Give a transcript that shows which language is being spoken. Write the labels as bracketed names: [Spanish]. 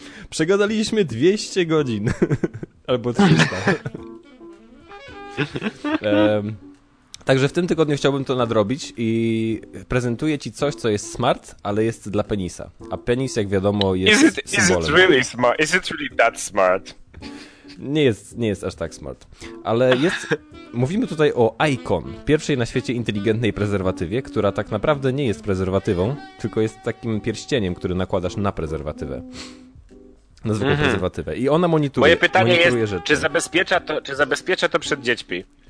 [Polish] Przegadaliśmy 200 godzin. Albo 300. Także w tym tygodniu chciałbym to nadrobić i prezentuję ci coś, co jest smart, ale jest dla penisa. A penis, jak wiadomo, jest symbolem. [English] Is it really that smart? [Polish] Nie jest aż tak smart. Ale jest. Mówimy tutaj o Icon, pierwszej na świecie inteligentnej prezerwatywie, która tak naprawdę nie jest prezerwatywą, tylko jest takim pierścieniem, który nakładasz na prezerwatywę. Na zwykłą prezerwatywę. I ona monitoruje. Moje pytanie jest, czy zabezpiecza to przed dziećmi?